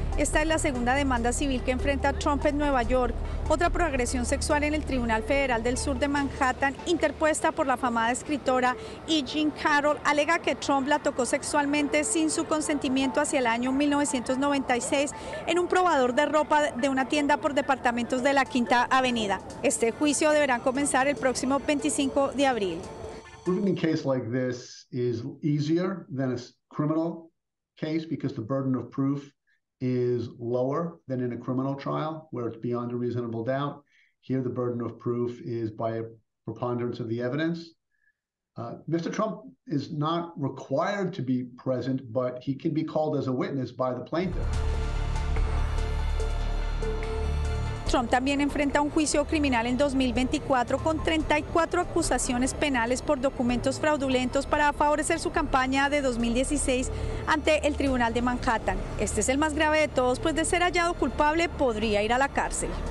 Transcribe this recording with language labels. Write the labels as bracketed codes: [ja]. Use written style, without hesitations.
[es] Esta es la segunda demanda civil que enfrenta Trump en Nueva York. Otra por agresión sexual en el Tribunal Federal del Sur de Manhattan, interpuesta por la afamada escritora E. Jean Carroll, alega que Trump la tocó sexualmente sin su consentimiento hacia el año 1996 en un probador de ropa de una tienda por departamentos de la Quinta Avenida. Este juicio deberá comenzar el próximo 25 de abril. [en] Proving a case like this is easier than a criminal case because the burden of proof is lower than in a criminal trial where it's beyond a reasonable doubt. Here the burden of proof is by a preponderance of the evidence. Mr. Trump is not required to be present, but he can be called as a witness by the plaintiff. [es] Trump también enfrenta un juicio criminal en 2024 con 34 acusaciones penales por documentos fraudulentos para favorecer su campaña de 2016 ante el Tribunal de Manhattan. Este es el más grave de todos, pues de ser hallado culpable podría ir a la cárcel.